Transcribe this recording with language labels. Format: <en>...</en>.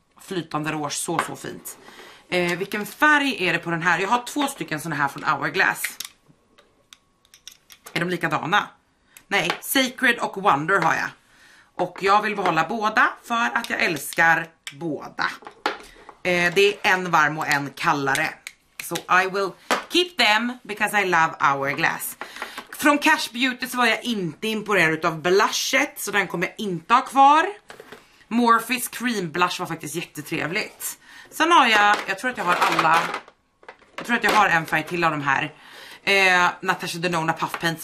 <sv>Flytande rouge, så fint. Vilken färg är det på den här? Jag har 2 stycken sådana här från Hourglass. Är de likadana? Nej, Sacred och Wonder har jag. Och jag vill behålla båda för att jag älskar båda. Det är en varm och en kallare.</sv> <en>So I will keep them because I love Hourglass.</en> <sv>Från Cash Beauty så var jag inte imponerad av blushet, så den kommer jag inte ha kvar. Morphe's Cream Blush var faktiskt jättetrevligt. Sen har jag tror att jag har alla Jag tror att jag har en färg till av de här. Natasha Denona Puff Paints.</sv>